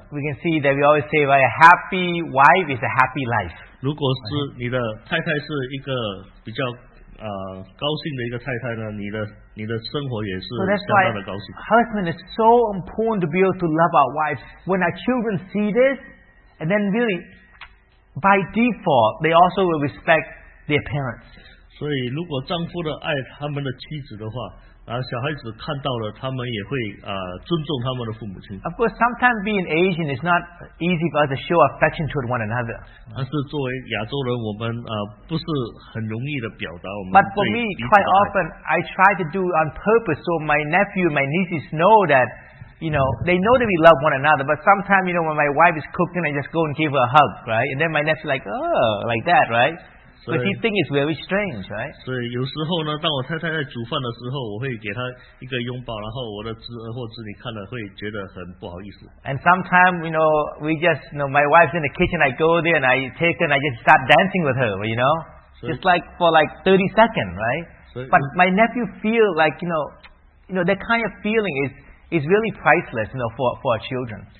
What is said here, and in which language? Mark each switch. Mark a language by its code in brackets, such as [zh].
[en] We can see that we always say, right, a happy wife is a happy life. [zh] 如果是你的太太是一个比较 高兴的一个太太呢, 你的生活也是相当的高兴。 [en] So that's why husband is so important to be able to love our wives. When our children see this, and then really, by default, they also will respect their parents. [zh] 所以如果丈夫的爱他们的妻子的话, 小孩子看到了他们也会 尊重他们的父母亲。 [en] Of course, sometimes being Asian is not easy for us to show affection toward one another. [zh] 但是作为亚洲人, 我们 不是很容易的表达我们对彼此的爱。 [en] But for me, quite often, I try to do on purpose so my nephew, my nieces know that, you know, they know that we love one another, but sometimes, you know, when my wife is cooking, I just go and give her a hug, right? And then my nephew's like, oh, like that, right? But he thinks it's very strange, right? [zh] 所以有时候呢, 当我太太在煮饭的时候, 我会给她一个拥抱, 然后我的侄儿或侄女看了会觉得很不好意思。 [en] And sometimes, you know, we just, you know, my wife's in the kitchen, I go there and I take her and I just start dancing with her, you know? Just like for like 30 seconds, right? But my nephew feels like, you know, that kind of feeling is really priceless, you know, for our children.